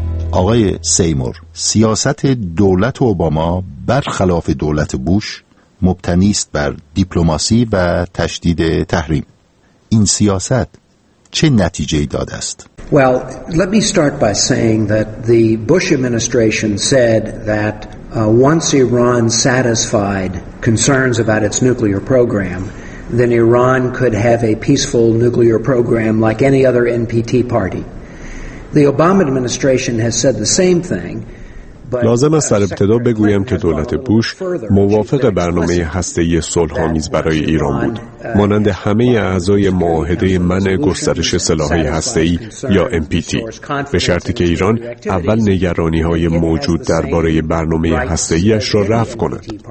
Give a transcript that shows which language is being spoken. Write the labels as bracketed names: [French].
[Persian] آقای سیمور، سیاست دولت اوباما برخلاف دولت بوش مبتنی است بر دیپلماسی و تشدید تحریم. این سیاست چه نتیجه‌ای داده است؟ [English] Well, let me start by saying that the Bush administration said that once Iran satisfied concerns about its nuclear program, then Iran could have a peaceful nuclear program like any other NPT party. The Obama administration has said the same thing. [Persian] لازم است در ابتدا بگویم که دولت بوش موافق برنامه هسته‌ای صلح‌آمیز برای ایران بود. مانند همه اعضای معاهده منع گسترش سلاح‌های هسته‌ای یا MPT، به شرطی که ایران اول نگرانی‌های موجود درباره برنامه هسته‌ایش را رفع کند.